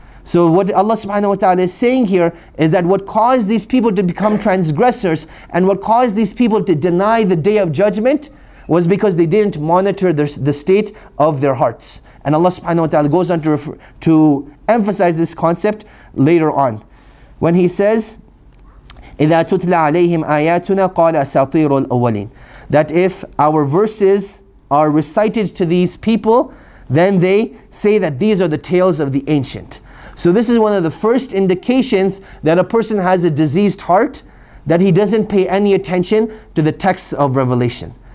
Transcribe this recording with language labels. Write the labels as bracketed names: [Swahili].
[English] So what Allah subhanahu wa ta'ala is saying here is that what caused these people to become transgressors and what caused these people to deny the Day of Judgment was because they didn't monitor the state of their hearts. And Allah subhanahu wa ta'ala goes on to emphasize this concept later on. When he says, [Arabic] إِذَا تُتْلَى عَلَيْهِمْ آيَاتُنَا قَالَ أَسَاطِيرُ الْأَوَّلِينَ. [English] That if our verses are recited to these people, then they say that these are the tales of the ancient. So this is one of the first indications that a person has a diseased heart, that he doesn't pay any attention to the texts of revelation.